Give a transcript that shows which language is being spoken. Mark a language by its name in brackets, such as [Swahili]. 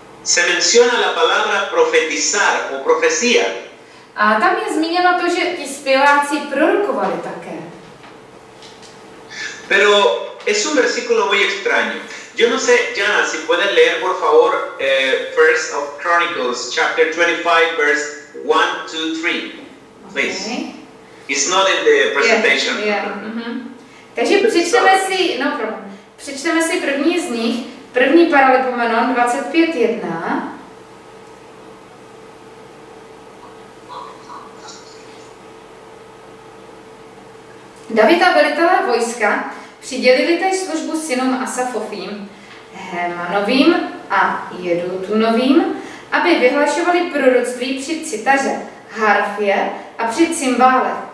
[Spanish] se menciona la palabra profetizar o profecía. [Czech] A tam je zmíněno to, že ti zpěváci prorokovali také. [Spanish] Pero es un versículo muy extraño. Yo no sé, Jana, si puedes leer por favor [English] First of Chronicles chapter 25 verse 1 2 3. Please. Okay. It's not in the presentation. [Czech] Takže přečteme si, [English] no problem. [Czech] Přečteme si první z nich, první paralipomenon 25:1. Davida velitelé vojska přidělili též službu synům Asafovým, Hemanovým a Jedutunovým, aby vyhlašovali proroctví při citaře, harfě a při cymbále.